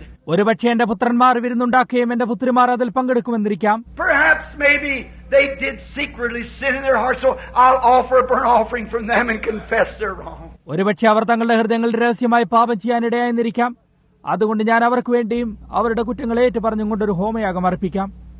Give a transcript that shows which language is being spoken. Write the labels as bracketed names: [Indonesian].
[Malayalam] ഒരു പക്ഷേ എന്റെ പുത്രന്മാർ വിരുന്നുണ്ടാക്കുകയും എന്റെ പുത്രിമാർ അതിൽ പങ്കെടുക്കുമെന്നിരിക്കാം. [English] Perhaps maybe they did secretly sin in their heart, so I'll offer a burnt offering from them and confess their wrong. [Malayalam] ഒരു പക്ഷേ അവർ തങ്ങളുടെ ഹൃദയങ്ങളിൽ രഹസ്യമായി പാപം ചെയ്യാനിടയായിരിക്കാം, അതുകൊണ്ട് ഞാൻ അവർക്ക് വേണ്ടിയും അവരുടെ കുറ്റങ്ങൾ ഏറ്റു പറഞ്ഞും കൊണ്ട് ഒരു ഹോമയാഗം അർപ്പിക്കാം.